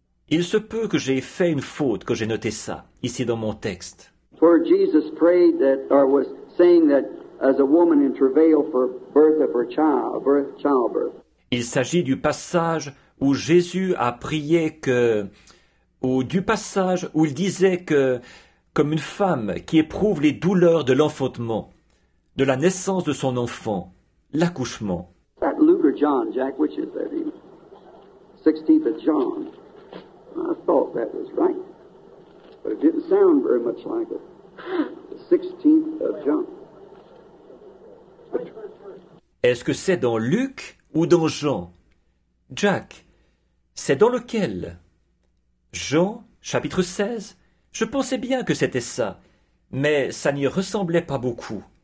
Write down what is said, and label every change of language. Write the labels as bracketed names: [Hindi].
[French] Il se peut que j'ai fait une faute quand j'ai noté ça, ici dans mon texte. [English] Where Jesus prayed that, or was saying that as a woman in travail for birth of her child, birth, childbirth. [French] Il s'agit du passage où Jésus a prié que, ou du passage où il disait que, comme une femme qui éprouve les douleurs de l'enfantement, de la naissance de son enfant, l'accouchement. [English] That Luke or John, Jack, which is that? 16th of John. I thought that was right, but it didn't sound very much like it. The 16th of John. [French] Est-ce que c'est dans Luc ou dans Jean? Jack, c'est dans lequel? Jean, chapitre 16? Je pensais bien que c'était ça, mais ça n'y ressemblait pas beaucoup.